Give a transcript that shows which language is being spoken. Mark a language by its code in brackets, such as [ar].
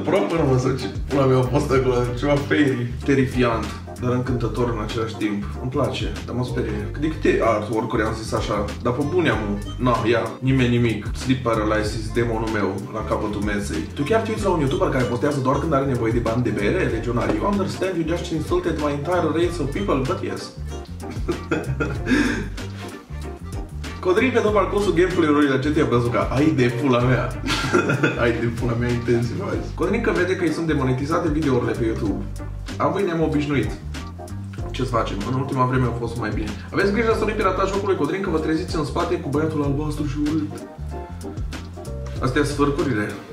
[ro] Proper, mă, sau ce pula mea a fost acolo, ceva fairy. Terifiant, dar încântător în același timp. Îmi place, dar mă sperie. De câte artwork-uri am zis așa? Dar pe bune am, na, ia, nimeni nimic. Sleep Paralysis, demonul meu, la capătul mesei. Tu chiar te uiți la un YouTuber care postează doar când are nevoie de bani de bere, legionar? [en] You understand, you just insulted my entire race of people, but yes. [ro] Codrin pe tot parcursul gameplay-ului la GTA Bazooka. Ai de pula mea. Ai de pula mea intensiv azi. Codrin că vede că îi sunt demonetizate videourile pe YouTube. Apoi ne-am obișnuit. Ce să facem? În ultima vreme a fost mai bine. Aveți grijă să nu-i pirata jocului, Codrin, că vă treziți în spate cu băiatul albastru și urât. Astea sfârcurile.